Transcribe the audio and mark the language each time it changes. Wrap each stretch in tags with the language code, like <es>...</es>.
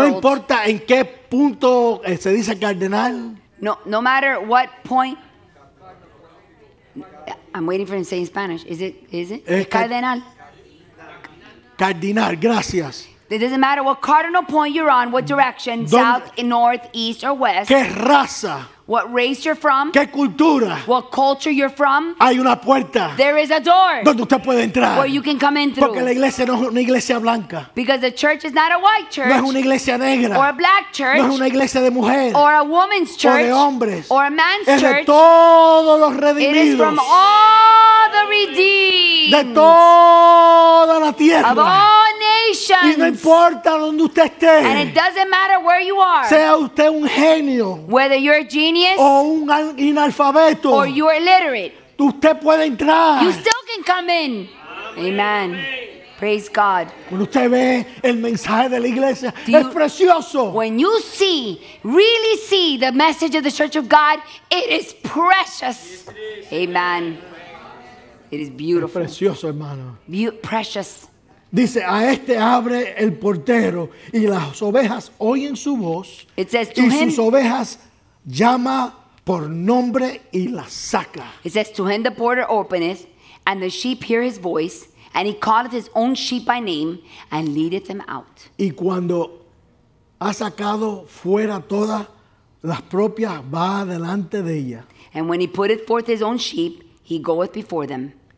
<es>No importa en qué punto se dice cardenal.</es> <en>No matter what point. I'm waiting for him to say in Spanish. Is it? Cardenal. Cardinal, gracias. It doesn't matter what cardinal point you're on, what direction, south, north, east, or west.</en> <es>¿Qué raza?</es> <en>What race you're from.</en> <es>¿Qué cultura?</es> <en>What culture you're from.</en> <es>Hay una puerta.</es> <en>There is a door.</en> <es>Donde usted puede entrar.</es> <en>Where you can come in through.</en> <es>Porque la iglesia no es una iglesia blanca.</es> <en>Because the church is not a white church.</en> <es>No es una iglesia negra.</es> <en>Or a black church.</en> <es>No es una iglesia de mujer.</es> <en>Or a woman's church.</en> <es>O de hombres.</es> <en>Or a man's</en> <es>es</es> <en>church.</en> <es>Es de todos los redimidos.</es> <en>It is from all the redeemed.</en> <es>De toda la tierra.</es> <en>Of all nations.</en> <es>Y no importa donde usted esté.</es> <en>And it doesn't matter where you are.</en> <es>Sea usted un genio.</es> <en>Whether you're a genius.</en> <es>O un analfabeto.</es> <en>Or you are illiterate.</en> <es>Usted puede entrar.</es> <en>You still can come in. Amen. Praise God.</en> <es>Cuando usted ve el mensaje de la iglesia, es precioso.</es> <en>When you see, really see the message of the Church of God, it is precious. Amen. It is beautiful.</en> <es>Es precioso, hermano.</es> <en>Precious.</en> <es>Dice, a este abre el portero y las ovejas oyen su voz.</es> <en>It says to him.</en> <es>Y sus ovejas llama por nombre y la saca.</es> <en>It says, to him the porter openeth, and the sheep hear his voice, and he calleth his own sheep by name, and leadeth them out.</en> <es>Y cuando ha sacado fuera todas las propias, va delante de ella.</es> <en>And when he putteth forth his own sheep, he goeth before them.</en>